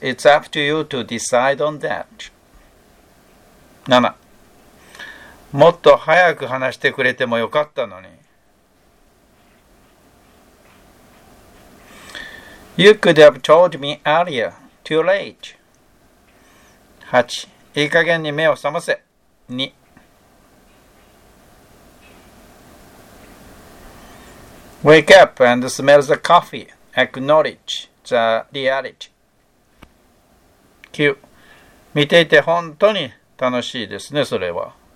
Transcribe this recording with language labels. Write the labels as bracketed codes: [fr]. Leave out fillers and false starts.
[en] It's up to you to decide on that. 7. [ja] もっと早く話してくれてもよかったのに。 [en] You could have told me earlier, too late. 8. [ja] いい加減に目を覚ませ。 [en] 2. Wake up and smell the coffee. Acknowledge the reality. 9. [ja] 見ていて本当に楽しいですね、それは。